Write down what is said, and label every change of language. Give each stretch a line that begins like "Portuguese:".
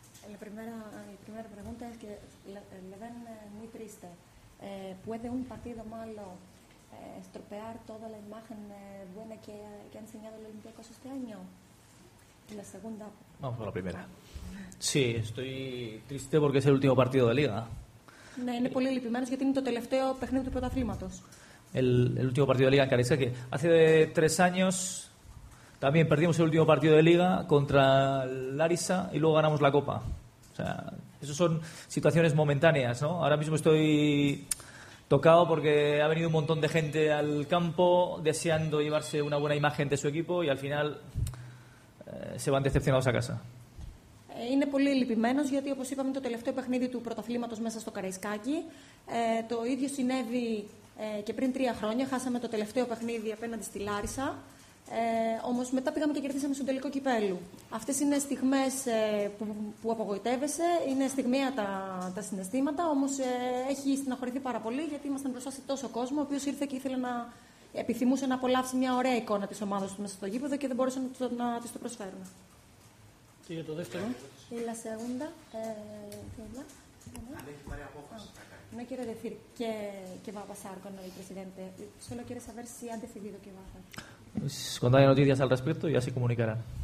Spanish: La primera pregunta es que le ven muy triste. ¿Puede un partido malo estropear toda la imagen buena que ha enseñado el Olympiacos este año? Y la segunda. Vamos con la primera. Sí, estoy triste porque es el último partido de Liga.
Greek: Ναι, είναι πολύ λυπημένος γιατί είναι το τελευταίο παιχνίδι του πρωταθλήματος.
Spanish: El último partido de Liga en Carisca, que hace tres años. También perdimos el último partido de Liga contra Larissa y luego ganamos la Copa. O sea, esas son situaciones momentáneas, ¿no? Ahora mismo estoy tocado porque ha venido un montón de gente al campo deseando llevarse una buena imagen de su equipo y al final se van decepcionados a casa.
Greek: Είναι πολύ λυπημένος γιατί, όπως είπαμε, το τελευταίο παιχνίδι του πρωταθλήματος μέσα στο Καραϊσκάκι. Το ίδιο συνέβη και πριν τρία χρόνια. Χάσαμε το τελευταίο παιχνίδι απέναντι στη Λάρισα. Όμως μετά πήγαμε και κερδίσαμε στον τελικό κυπέλου. Αυτές είναι στιγμές που απογοητεύεσαι, είναι στιγμιαία τα συναισθήματα, όμως έχει στεναχωρηθεί πάρα πολύ γιατί ήμασταν μπροστά σε τόσο κόσμο, ο οποίος ήρθε και ήθελε να επιθυμούσε να απολαύσει μια ωραία εικόνα της ομάδας του μέσα στο γήπεδο και δεν μπορούσαν να της το προσφέρουν. Και για το δεύτερο. Ήλα Σεούντα. Αν έχει πάρει απόφαση. Ναι, κύριε Δεθήρ, και βάπα Presidente.
Spanish: Solo quiero saber si han decidido que baja. Cuando haya noticias al respecto, ya se comunicará.